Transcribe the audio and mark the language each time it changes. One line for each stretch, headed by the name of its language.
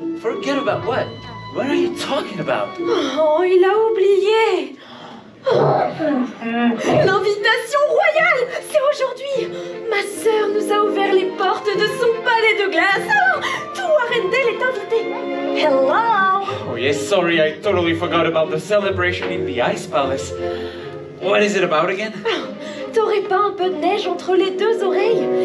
English: Forget about what? What are you talking about?
French: Oh, il a oublié. L'invitation royale, c'est aujourd'hui. Ma sœur nous a ouvert les portes de son palais de glace. Tout Arendelle est invité. Hello.
English: Oh yes, sorry, I totally forgot about the celebration in the Ice Palace. What is it about again?
French: T'aurais pas un peu de neige entre les deux oreilles?